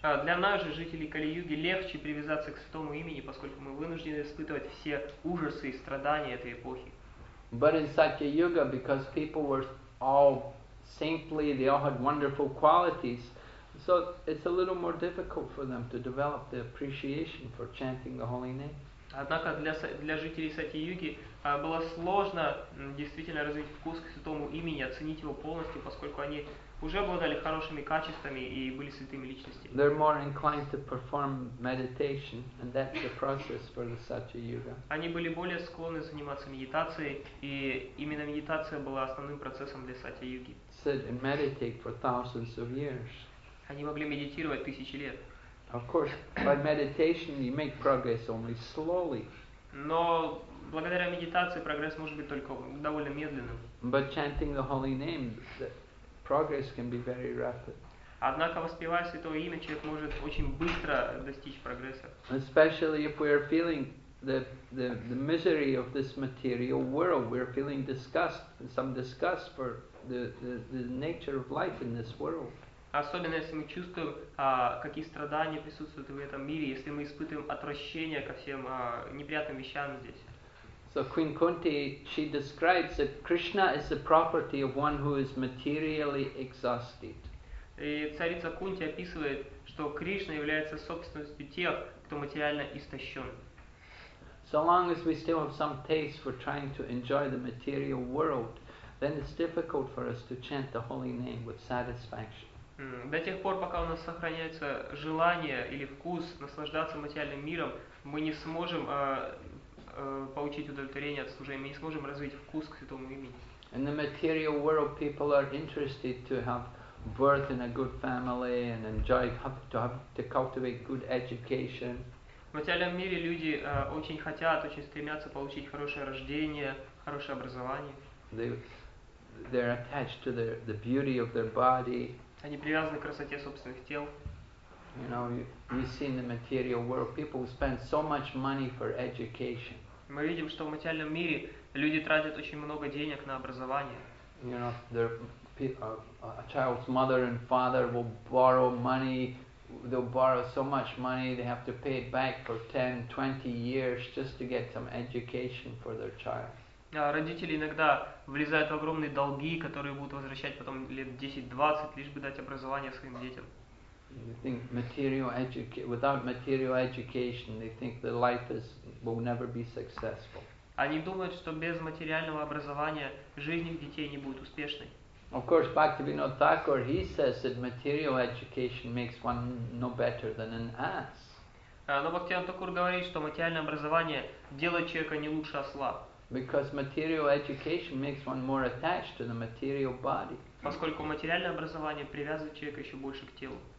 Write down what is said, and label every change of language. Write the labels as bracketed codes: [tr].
[ru] Для нас же, жителей Кали-Юги, легче привязаться к Святому Имени, поскольку мы вынуждены испытывать все ужасы и страдания этой эпохи. [en] But in Satya Yuga, because people were all saintly, they all had wonderful qualities, so it's a little more difficult for them to develop the appreciation for chanting the holy name. [ru] Однако для жителей Сати Юги было сложно действительно развить вкус к Святому Имени, оценить его полностью, поскольку они уже обладали хорошими качествами и были святыми личностями. [en] They're more inclined to perform meditation, and that's the process for the Satya Yuga. [ru] Они были более склонны заниматься медитацией, и именно медитация была основным процессом для Сати Юги. [en] Sit and meditate for thousands of years. [ru] Они могли медитировать тысячи лет. [en] Of course, by meditation you make progress only slowly. [ru] Но благодаря медитации прогресс может быть только довольно медленным. [en] But chanting the holy name, progress can be very rapid. [ru] Однако, воспевая Святое Имя, человек может очень быстро достичь прогресса. [en] Especially if we are feeling the misery of this material world, we are feeling disgust, some disgust for the nature of life in this world. [ru] Особенно если мы чувствуем, какие страдания присутствуют в этом мире, если мы испытываем отвращение ко всем неприятным вещам здесь. [en] So Queen Kunti, she describes that Krishna is the property of one who is materially exhausted. [ru] И царица Кунти описывает, что Кришна является собственностью тех, кто материально истощен. [en] So long as we still have some taste for trying to enjoy the material world, then it's difficult for us to chant the holy name with satisfaction. [ru] До тех пор, пока у нас сохраняется желание или вкус наслаждаться материальным миром, мы не сможем получить удовлетворение от служения, мы не сможем развить вкус к Святому Имени. [en] In the material world, people are interested to have birth in a good family and enjoy to cultivate good education. [ru] В материальном мире люди очень хотят, очень стремятся получить хорошее рождение, хорошее образование. [en] They're attached to the beauty of their body. [ru] Они привязаны к красоте собственных тел. [en] You know, we see in the material world people spend so much money for education. [ru] Мы видим, что в материальном мире люди тратят очень много денег на образование. [en] You know, a child's mother and father will borrow money. They'll borrow so much money they have to pay it back for 10-20 years just to get some education for their child. [ru] Родители иногда влезают в огромные долги, которые будут возвращать потом лет 10-20, лишь бы дать образование своим детям. [en] They think without material education, they think their life will never be successful. [ru] Они думают, что без материального образования жизнь их детей не будет успешной. [en] Of course, Bhaktivinoda Thakur, he says that material education makes one no better than an ass. [ru] Но Бхактивинода Такур говорит, что материальное образование делает человека не лучше осла. [en] Because material education makes one more attached to the material body. [ru] Поскольку материальное образование привязывает человека еще больше к телу.